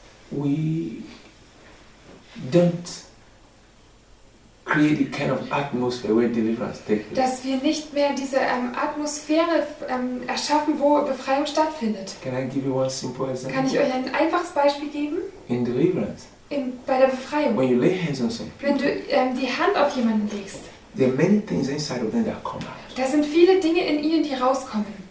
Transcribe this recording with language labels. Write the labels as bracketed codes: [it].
[en] We don't create the kind of atmosphere where deliverance takes place. [de] Dass wir nicht mehr diese Atmosphäre erschaffen, wo Befreiung stattfindet. [en] Can I give you one simple example? [de] Kann ich euch ein einfaches Beispiel geben? [en] In deliverance. [de] Bei der Befreiung. [en] When you lay hands on someone. [de] Wenn du die Hand auf jemanden legst. [en] There are many things inside of them that come out. [de] Da sind viele Dinge in ihnen, die rauskommen.